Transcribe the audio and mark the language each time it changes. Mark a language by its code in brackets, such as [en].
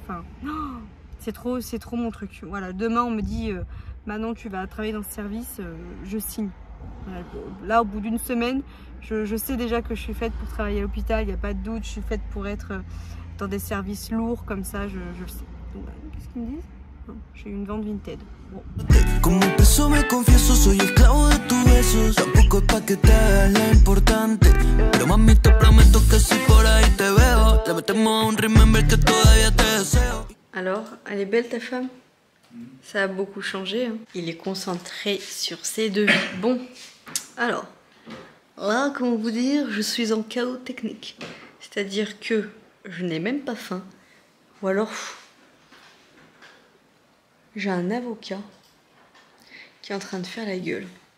[fr] Enfin, c'est trop mon truc. Voilà, demain, on me dit, Manon, tu vas travailler dans ce service, je signe. Là, au bout d'une semaine, je sais déjà que je suis faite pour travailler à l'hôpital, il n'y a pas de doute, je suis faite pour être dans des services lourds comme ça, je le sais. Donc, qu'est-ce qu'ils me disent? J'ai une vente Vinted. [es] Como peso me confieso, soy esclavo de tus besos. Tampoco es pa' que te hagas la importante. Pero mami, te prometo que si por ahí te veo, le metemos un remember que todavía te deseo. [fr] Alors, elle est belle ta femme? Ça a beaucoup changé. Hein. Il est concentré sur ses devis. Bon, alors, là, comment vous dire, je suis en chaos technique. C'est-à-dire que je n'ai même pas faim. Ou alors, j'ai un avocat qui est en train de faire la gueule.